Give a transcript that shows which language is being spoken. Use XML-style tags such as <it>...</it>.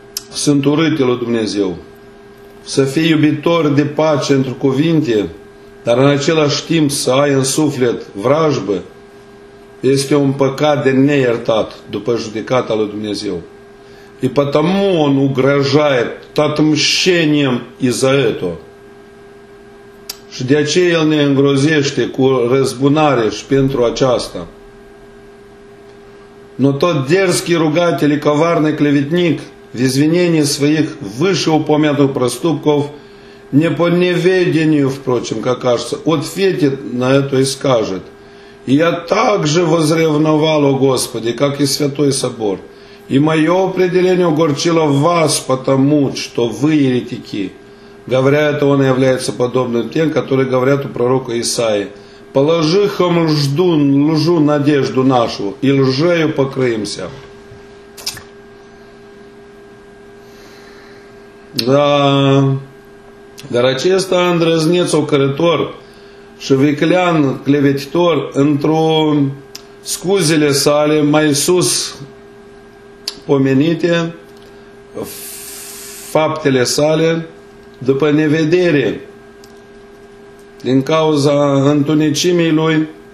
<ro>Sunt urâte lui Dumnezeu. Să fii iubitor de pace într-o cuvinte, dar în același timp să ai în suflet vrajbă, este un păcat de neiertat după judecata lui Dumnezeu.</ro> <ru>И потому он угрожает татмщением из-за этого. Și de aceea el ne îngrozește cu răzbunare și pentru aceasta. Но тот дерзкий ругатель и коварный клеветник в извинении своих вышеупомянутых проступков не по неведению, впрочем, как кажется, ответит на это и скажет: «Я также возревновал о Господе, как и Святой Собор, и мое определение огорчило вас, потому что вы еретики». Говоря это, он является подобным тем, которые говорят у пророка Исаии: «Положи хам жду, лжу надежду нашу, и лжею покроимся».</ru> <ro>Да, дар acesta îndrăzneț ocărător și viclean clevetitor într-o scuzele sale mai sus pomenite, faptele sale, după nevedere, din cauza întunecimii lui,</ro>